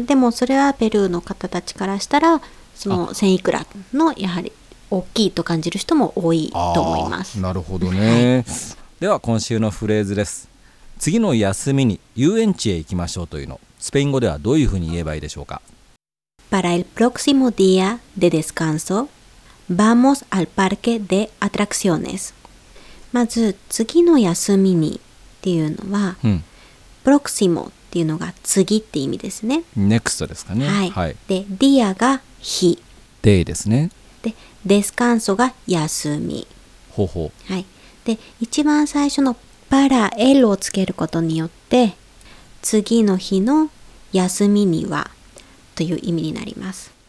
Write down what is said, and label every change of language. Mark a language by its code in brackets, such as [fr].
[ja] でもそれはペルーの方たちからしたらその1000いくらのやはり大きいと感じる人も多いと思います。なるほどね。では今週のフレーズです。次の休みに遊園地へ行きましょうというの、スペイン語ではどういうふうに言えばいいでしょうか？ [es] Para el próximo día de descanso vamos al parque de atracciones。 [ja] まず次の休みにっていうのは、うん、 próximo っていうのが次って意味ですね。 next ですかね、はいはい、で día が日、 day ですね。デスカンソが休み。ほうほう、はい、で一番最初のパラエルをつけることによって次の日の休みにはという意味になります。